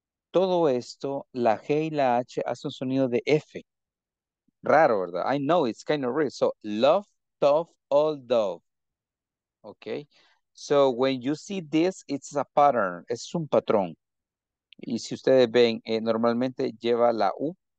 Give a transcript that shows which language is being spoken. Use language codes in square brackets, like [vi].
[es] Todo esto, la G y la H hace un sonido de F. Raro, ¿verdad? [en] I know, it's kind of weird. So, love, tough, old dog. Okay. So, when you see this, it's a pattern. [es] Es un patrón. Y si ustedes ven, normalmente lleva la U.